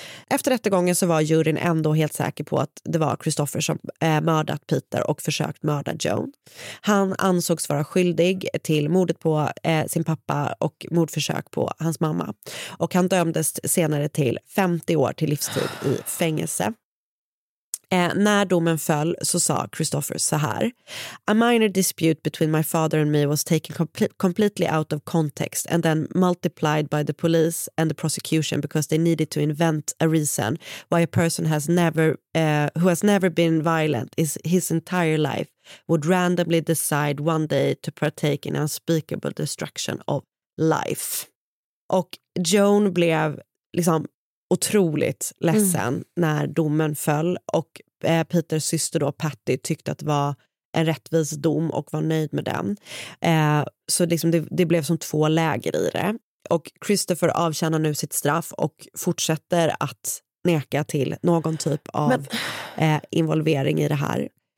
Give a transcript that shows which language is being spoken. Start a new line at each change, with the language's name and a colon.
Swedish: Efter rättegången så var juryn ändå helt säker på att det var Christopher som mördat Peter och försökt mörda Joan. Han ansågs vara skyldig till mordet på sin pappa och mordförsök på hans mamma. Och han dömdes senare till 50 år till livstid i fängelse. När domen föll så sa Christopher så här:
English: "A minor dispute between my father and me was taken completely out of context and then multiplied by the police and the prosecution because they needed to invent a reason why a person has never who has never been violent is his entire life would randomly decide one day to partake in unspeakable destruction of life."
Swedish: Och Joan blev liksom otroligt ledsen när domen föll och Peters syster då, Patty, tyckte att det var en rättvis dom och var nöjd med den. Så liksom det blev som två läger i det. Och Christopher avtjänar nu sitt straff och fortsätter att neka till någon typ av involvering i det här.